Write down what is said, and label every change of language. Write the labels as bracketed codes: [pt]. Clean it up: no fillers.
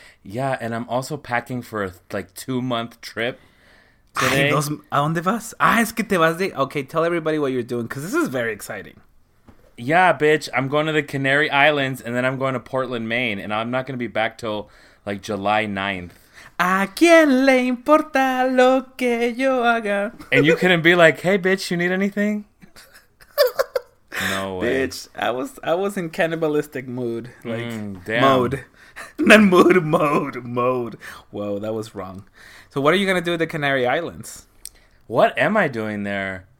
[en] Yeah, and I'm also packing for a, like, two-month trip today. [es] ¿A dónde vas? Ah, es que te vas de... [en] Okay, tell everybody what you're doing, because this is very exciting. Yeah, bitch, I'm going to the Canary Islands, and then I'm going to Portland, Maine, and I'm not going to be back till, like, July 9th. [es] ¿A quién le importa lo que yo haga? [en] And you couldn't be like, hey, bitch, you need anything? No way. Bitch, I was in cannibalistic mood. Like, damn. Mode. Not mood, mode. Whoa, that was wrong. So what are you going to do at the Canary Islands? What am I doing there?